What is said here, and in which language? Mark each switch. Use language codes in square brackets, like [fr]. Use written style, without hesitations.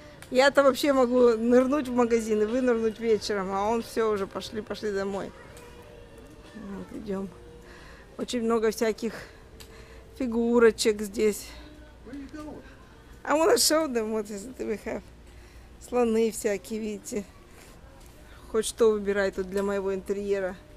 [ru] Я-то вообще могу нырнуть в магазин и вынырнуть вечером, а он все уже, пошли домой. Вот, идем. Очень много всяких фигурочек здесь. [en] I wanna show them what we have. [ru] Слоны всякие, видите. Хоть что выбирай тут для моего интерьера.